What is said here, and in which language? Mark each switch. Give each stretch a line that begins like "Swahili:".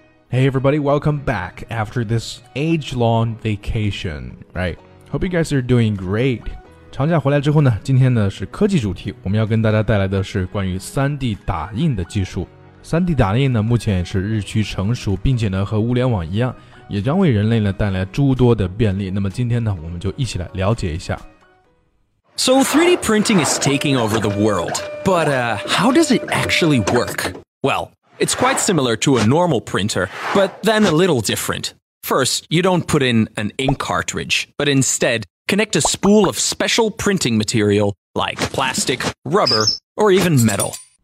English: Hey, everybody, welcome back after this age-long vacation, right? Hope you guys are doing great.
Chinese: 长假回来之后呢，今天呢是科技主题，我们要跟大家带来的是关于 3D 打印的技术。 3D 打印呢，目前是日趋成熟，并且呢和物联网一样，也将为人类呢带来诸多的便利。那么今天呢，我们就一起来了解一下。
English: So 3D printing is taking over the world, but how does it actually work? Well, it's quite similar to a normal printer, but then a little different. First, you don't put in an ink cartridge, but instead connect a spool of special printing material like plastic, rubber, or even metal.